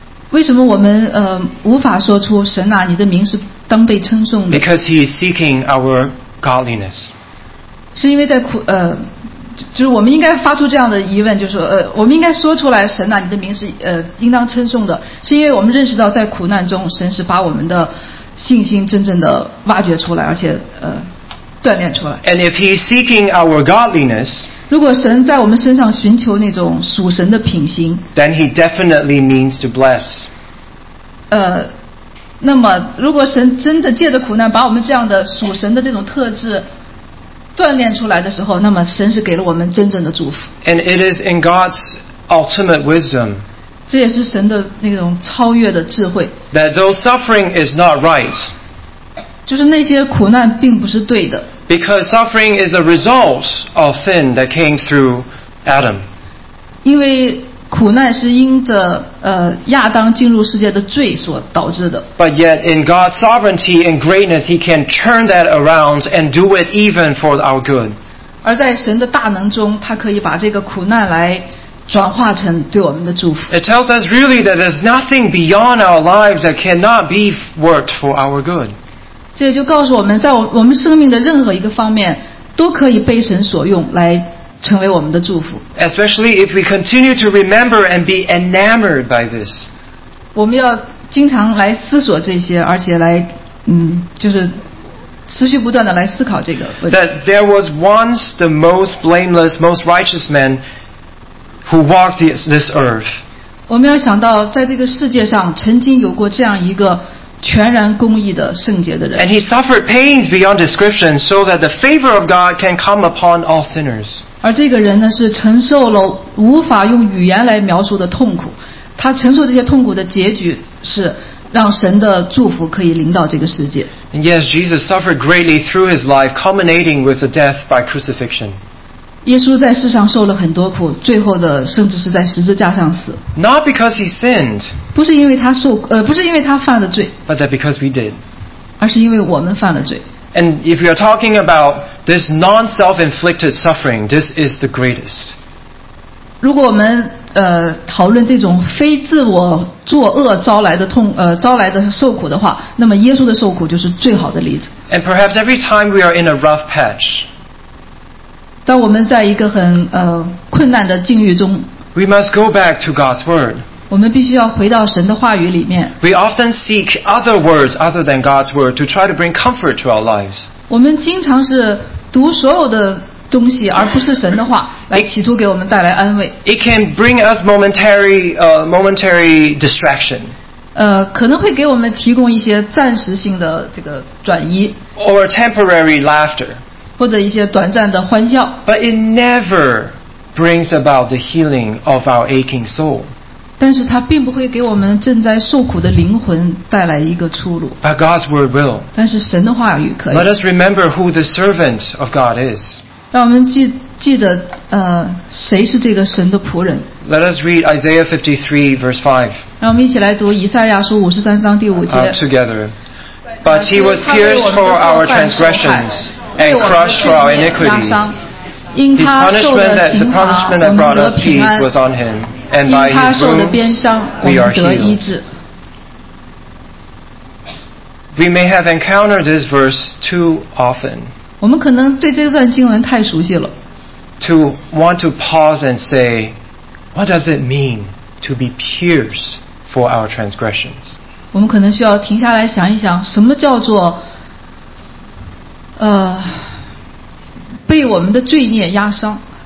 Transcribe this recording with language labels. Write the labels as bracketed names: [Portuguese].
[Chinese] 为什么我们无法说出神啊，你的名是当被称颂的？ [English] Because He is seeking our godliness. [Chinese] 是因为在就是我们应该发出这样的疑问，就是我们应该说出来，神啊，你的名是应当称颂的，是因为我们认识到在苦难中，神是把我们的信心真正的挖掘出来，而且锻炼出来。 [English] And if He is seeking our godliness. [Chinese] 如果神在我们身上寻求那种属神的品行 [English] then he definitely means to bless. [Chinese] 那么如果神真的借着苦难把我们这样的属神的这种特质锻炼出来的时候，那么神是给了我们真正的祝福。 [English] And it is in God's ultimate wisdom. [Chinese] 这也是神的那种超越的智慧。 [English] That though suffering is not right. [Chinese] 就是那些苦难并不是对的。 [English] Because suffering is a result of sin that came through Adam. [Chinese] 因为苦难是因着亚当进入世界的罪所导致的。 [English] But yet in God's sovereignty and greatness, He can turn that around and do it even for our good. [Chinese] 而在神的大能中，他可以把这个苦难来转化成对我们的祝福。 [English] It tells us really that there's nothing beyond our lives that cannot be worked for our good. [Chinese] 这就告诉我们，在我们生命的任何一个方面，都可以被神所用来成为我们的祝福。 [English] Especially if we continue to remember and be enamored by this. [Chinese] 我们要经常来思索这些，而且来，就是持续不断的来思考这个问题。 [English] That there was once the most blameless, most righteous man who walked this earth. [Chinese] 我们要想到，在这个世界上曾经有过这样一个。全然公义的圣洁的人。 [English] And he suffered pains beyond description so that the favor of God can come upon all sinners. [Chinese] 而这个人呢是承受了无法用语言来描述的痛苦，他承受这些痛苦的结局是让神的祝福可以临到这个世界。 [English] And yes, Jesus suffered greatly through his life, culminating with the death by crucifixion. [Chinese] 耶稣在世上受了很多苦，最后的甚至是在十字架上死。 [English] Not because he sinned. [Chinese] 不是因为他受不是因为他犯了罪 [English] but that because we did. [Chinese] 而是因为我们犯了罪。 [English] And if you're talking about this non-self-inflicted suffering, this is the greatest. [Chinese] 如果我们讨论这种非自我作恶招来的痛招来的受苦的话，那么耶稣的受苦就是最好的例子。 [English] And perhaps every time we are in a rough patch, [Chinese] 当我们在一个很困难的境遇中， [English] We must go back to God's word. [Chinese] 我们必须要回到神的话语里面。 [English] We often seek other words other than God's word to try to bring comfort to our lives. [Chinese] 我们经常是读所有的东西而不是神的话来企图给我们带来安慰。 [English] It can bring us momentary distraction. [Chinese] 可能会给我们提供一些暂时性的这个转移。 [English] Or temporary laughter. [Chinese] 或者一些短暂的欢笑。 [English] But it never brings about the healing of our aching soul. [Chinese] 但是它并不会给我们正在受苦的灵魂带来一个出路。 [English] But God's word will. [Chinese] 但是神的话语可以。 [English] Let us remember who the servant of God is. [Chinese] 让我们 记得谁是这个神的仆人。 [English] Let us read Isaiah 53 verse 5. [Chinese] 让我们一起来读以赛亚书53章第五节。 [English] Together. But he was pierced for our transgressions and crushed for our iniquities. His punishment that the punishment that brought us peace was on him. And by his wounds we are healed. We may have encountered this verse too often. [Chinese] 我们可能对这段经文太熟悉了。 [English] To want to pause and say, what does it mean to be pierced for our transgressions? [Chinese] 我们可能需要停下来想一想，什么叫做被我们的罪孽压伤。